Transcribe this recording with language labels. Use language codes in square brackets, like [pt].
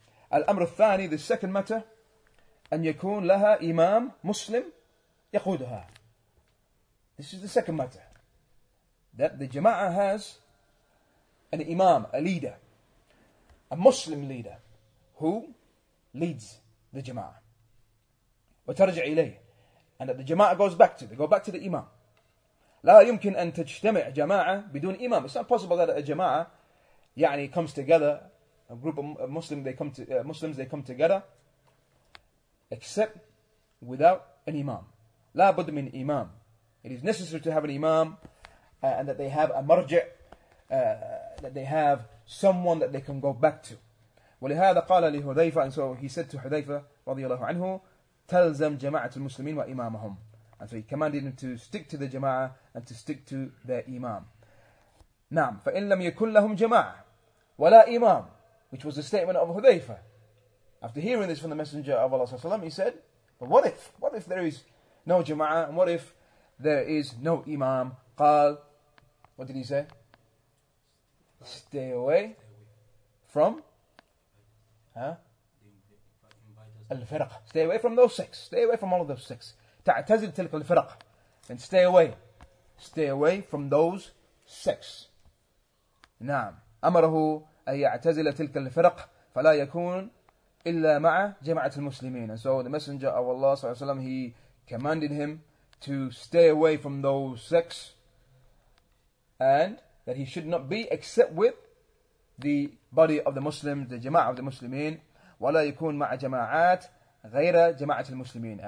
[ar] Al-amr al-thani, [en] the second matter, [ar] أن يكون لها imam Muslim يقودها. [en] This is the second matter. That the jama'ah has an imam, a leader, a Muslim leader, who leads the jama'ah. [ar] وترجع إليه. [en] And that the jama'ah goes back to, they go back to the imam. [ar] لا يمكن أن تجتمع جماعة بدون إمام. [en] It's not possible that a jama'ah يعني comes together, a group of Muslims, they come together, except without an imam. [ar] لا بد من إمام. [en] It is necessary to have an imam, and that they have a مرجع, that they have someone that they can go back to. [ar] ولهذا قال لهذيفة, [en] and so he said to [ar] حذيفة رضي الله عنه, تلزم جماعة المسلمين وإمامهم. [en] And so he commanded them to stick to the jama'ah and to stick to their imam. [ar] نعم, فإن لم يكن لهم جماعة ولا imam, [en] which was the statement of [ar] حذيفة. [en] After hearing this from the Messenger of Allah, he said, but what if? What if there is no jama'ah? And what if there is no imam? قال, what did he say? Stay away from الفرق. Stay away from those six. Stay away from all of those six. [ar] تعتزل تلك الفرق. [en] And stay away. Stay away from those six. نعم. [ar] أمره أن يعتزل تلك الفرق فلا يكون إلا مع جماعة المسلمين. [en] And so the messenger of Allah صلى الله عليه وسلم, he commanded him to stay away from those six, and that he should not be except with the body of the Muslims, the jama'ah of the Muslimin. [ar] وَلَا يَكُونْ مَعَ جَمَاعَاتْ غَيْرَ جَمَاعَةِ الْمُسْلِمِينَ.